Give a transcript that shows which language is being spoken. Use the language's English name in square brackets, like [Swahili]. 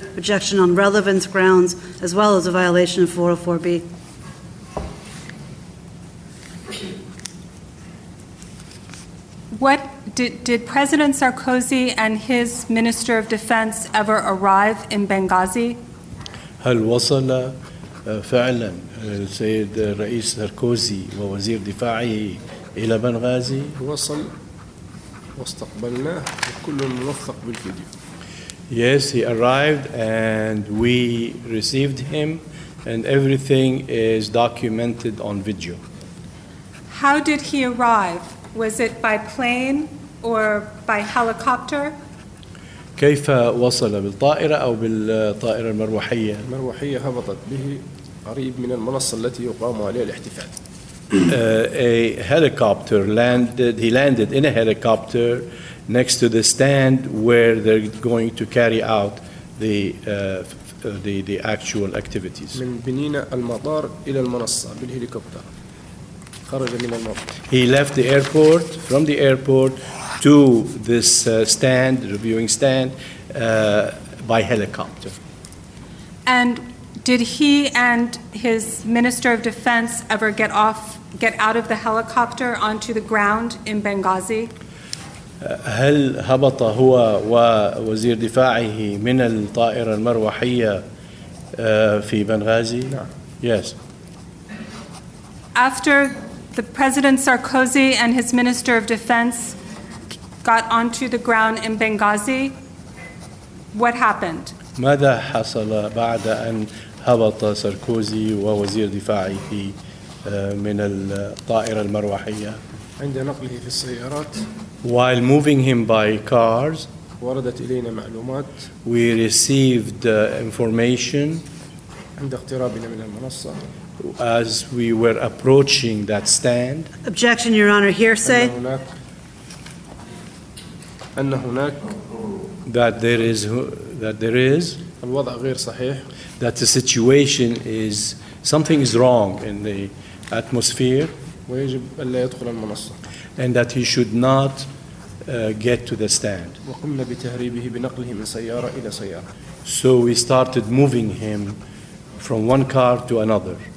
[English] Objection on relevance grounds as well as a violation of 404B. What did President Sarkozy and his Minister of Defense ever arrive in Benghazi? [Arabic] هل وصل فعلا السيد الرئيس ساركوزي ووزير دفاعه إلى بنغازي؟ وصل واستقبلناه وكل موثق بالفيديو. [English] Yes, he arrived and we received him and everything is documented on video. How did he arrive? Was it by plane or by helicopter? [Arabic] كيف وصل بالطائرة أو بالطائرة المروحية؟ المروحية هبطت به قريب من المنصة التي يقام عليها الاحتفال. [English] A helicopter landed. He landed in a helicopter next to the stand where they're going to carry out the actual activities. [Arabic] من بنين المطار إلى المنصة بالهليكوبتر. [English] He left the airport, from the airport to this stand, reviewing stand, by helicopter. And Did he and his Minister of Defense ever get out of the helicopter onto the ground in Benghazi? [Arabic] هل هبط هو ووزير دفاعه من الطائرة المروحية في بنغازي؟ [English] Yes. After the President Sarkozy and his Minister of Defense got onto the ground in Benghazi, what happened? [Arabic] ماذا حصل بعد أن هبط ساركوزي ووزير دفاعه من الطائرة المروحية؟ عند نقله في السيارات. [English] While moving him by cars, [Arabic] وردت إلينا معلومات. [English] We received information. [Arabic] عند اقترابنا من المنصة. [English] As we were approaching that stand. Objection, Your Honor. Hearsay. [Arabic] أن هناك. [English] That there is. [Arabic] الوضع غير صحيح. [English] That the situation is something is wrong in the atmosphere. [Arabic] ويجب ألا يدخل المنصة. [English] And that he should not get to the stand. [Arabic] وقمنا بتهريبه بنقله من سيارة إلى سيارة. [English] So we started moving him from one car to another.